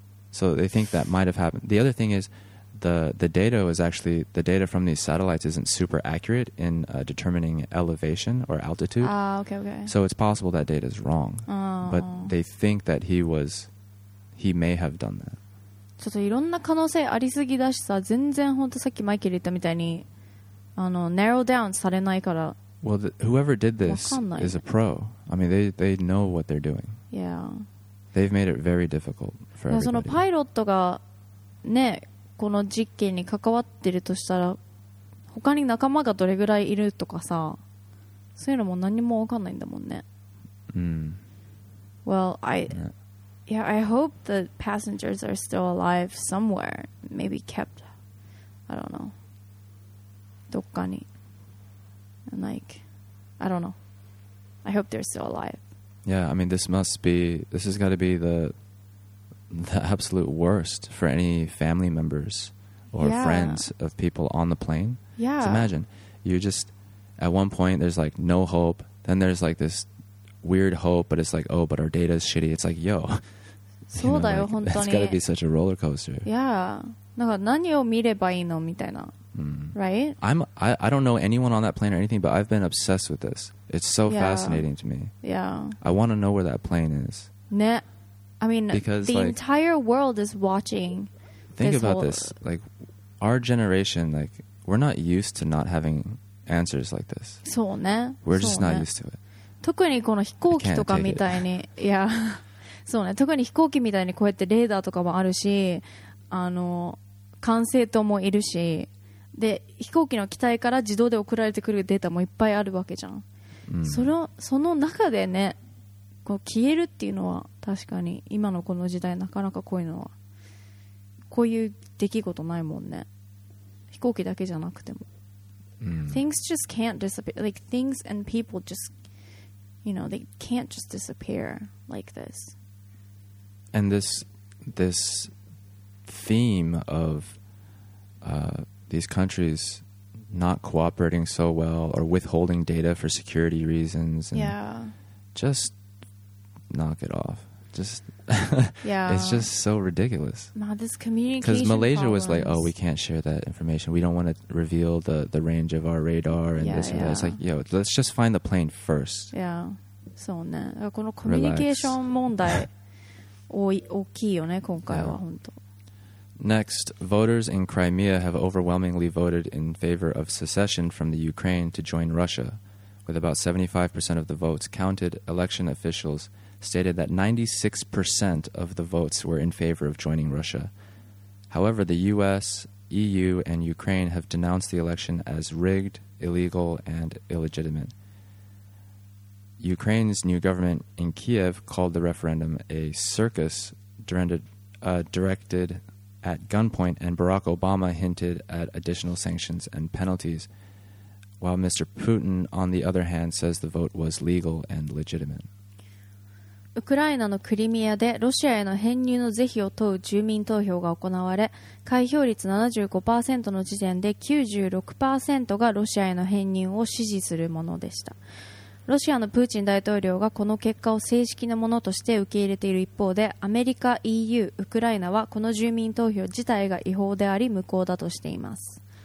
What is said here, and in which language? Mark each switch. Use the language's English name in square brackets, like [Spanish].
[English] So they think that might have happened. The other thing is the data from these satellites isn't super accurate in determining elevation or altitude. Ah, okay. So it's possible that data is wrong. Oh. But they think that he may have done that. [Japanese] ちょっといろんな可能性ありすぎだしさ、全然本当さっきマイケル言ったみたいに、 [English] narrow down [Japanese] されないから。 [English] Well, whoever did this is a pro. I mean, they know what they're doing. Yeah. They've made it very difficult for everybody. [Japanese] そのパイロットがね、この実験に関わってるとしたら他に仲間がどれぐらいいるとかさ、そういうのも何も分かんないんだもんね。 [English] Well, I hope the passengers are still alive somewhere. Maybe kept, I don't know. [Japanese] どっかに。 [English] And like, I don't know. I hope they're still alive. Yeah, I mean, this has got to be the absolute worst for any family members or friends of people on the plane. Yeah. So imagine, you just, at one point there's like no hope, then there's like this weird hope, but it's like, oh, but our data is shitty. It's like, yo. [Japanese] そうだよ、本当に。 [English] It's gotta be such a roller coaster. Yeah. [Japanese] なんか何を見ればいいのみたいな。 [English] Right? I don't know anyone on that plane or anything, but I've been obsessed with this. It's so fascinating to me. Yeah. I want to know where that plane is. [Japanese] ね。 [English] I mean, because, the entire world is watching. Think about this. Like, our generation, like, we're not used to not having answers like this. [Japanese] そうね。 [English] We're just not used to it. [Japanese] 特にこの飛行機とかみたいに、いや、そうね。特に飛行機みたいにこうやってレーダーとかもあるし、管制塔もいるし、で、飛行機の機体から自動で送られてくるデータもいっぱいあるわけじゃん。その中でね、消えるっていうのは確かに今のこの時代なかなかこういうのはこういう出来事ないもんね。飛行機だけじゃなくても、 [English] Things just can't disappear. Like things and people just, you know, they can't just disappear like this. And this theme of these countries not cooperating so well or withholding data for security reasons and just knock it off. Just it's just so ridiculous. Not this communication. Because Malaysia problems. Was like, oh, we can't share that information. We don't want to reveal the range of our radar and this and that. It's like, yo, let's just find the plane first. Yeah. So ne. [Japanese] このコミュニケーション問題大きいよね、今回は本当。 [English] Next, voters in Crimea have overwhelmingly voted in favor of secession from the Ukraine to join Russia. With about 75% of the votes counted, election officials stated that 96% of the votes were in favor of joining Russia. However, the US, EU, and Ukraine have denounced the election as rigged, illegal, and illegitimate. Ukraine's new government in Kiev called the referendum a circus directed at gunpoint, and Barack Obama hinted at additional sanctions and penalties, while Mr. Putin, on the other hand, says the vote was legal and legitimate. [Japanese] ウクライナのクリミアでロシアへの編入の是非を問う住民投票が行われ、開票率 75% の時点で 96% がロシアへの編入を支持するものでした。ロシアのプーチン大統領がこの結果を正式なものとして受け入れている一方で、アメリカ、EU、ウクライナはこの住民投票自体が違法であり無効だとしています。